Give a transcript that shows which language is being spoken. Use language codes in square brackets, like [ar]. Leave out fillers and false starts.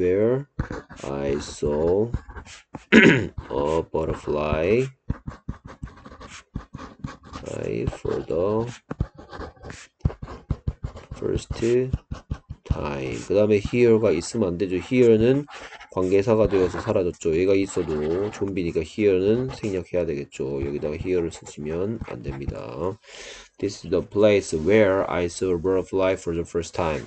[en] Where I saw a butterfly fly for the first time. [ko] 그 다음에 here가 있으면 안 되죠. Here는 관계사가 되어서 사라졌죠. 얘가 있어도 좀비니까 here는 생략해야 되겠죠. 여기다가 here를 쓰시면 안 됩니다. [en] This is the place where I saw a butterfly for the first time.